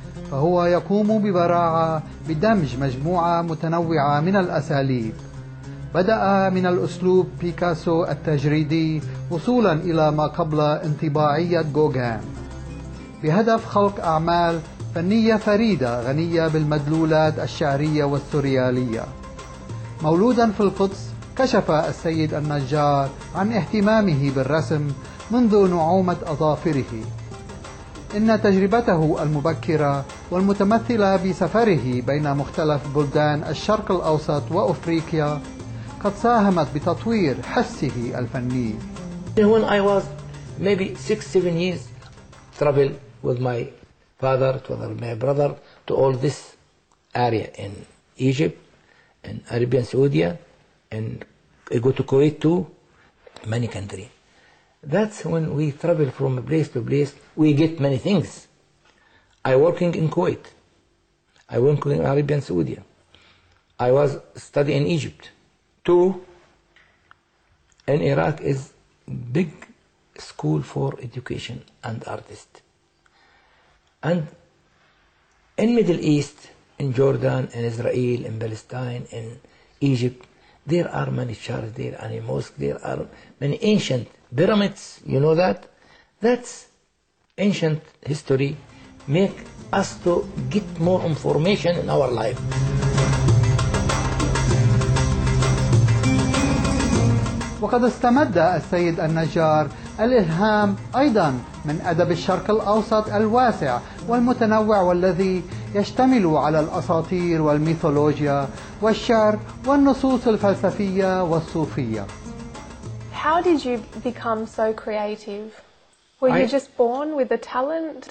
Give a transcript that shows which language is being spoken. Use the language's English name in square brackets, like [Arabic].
[Arabic] فهو يقوم ببراعة بدمج مجموعة متنوعة من الأساليب بدأ من الأسلوب بيكاسو التجريدي وصولاً إلى ما قبل انطباعية غوغان بهدف خلق أعمال فنية فريدة غنية بالمدلولات الشعرية والسوريالية مولوداً في القدس كشف السيد النجار عن اهتمامه بالرسم منذ نعومة أظافره إن تجربته المبكرة والمتمثلة بسفره بين مختلف بلدان الشرق الأوسط وأفريقيا قد ساهمت بتطوير حسه الفني [English] When I was maybe 6-7 years travel with my father to my brother to all this area in Egypt in Arabian Saudi and I go to Kuwait too, many country. That's when we travel from place to place, we get many things. I working in Kuwait. I working in Arabian Saudi. I was studying in Egypt. Two, in Iraq is big school for education and artist. And in Middle East, in Jordan, in Israel, in Palestine, in Egypt, there are many churches, there are mosques, there are many ancient pyramids, you know that? That's ancient history make us to get more information in our life. [Arabic] وقد استمد السيد النجار الإلهام أيضا من أدب الشرق الأوسط الواسع والمتنوع والذي يشتمل على الأساطير والميثولوجيا والشعر والنصوص الفلسفية والصوفية. [English] How did you become so creative? Were you just born with a talent?